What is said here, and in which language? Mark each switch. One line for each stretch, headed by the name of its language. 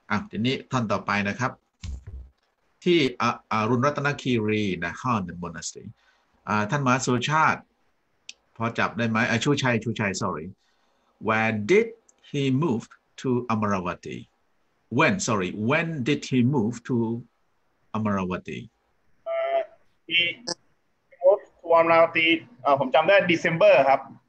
Thai: ทีนี้ท่านต่อไปนะครับที่อรุณรัตนคีรีนะฮอนมอนาสติท่านมหาสุชาติพอจับได้ไหมชูชัย
English: sorry Where did he move to Amaravati? When did he move to Amaravati? He moved to Amaravati
Thai: ผมจำได้
English: December ครับ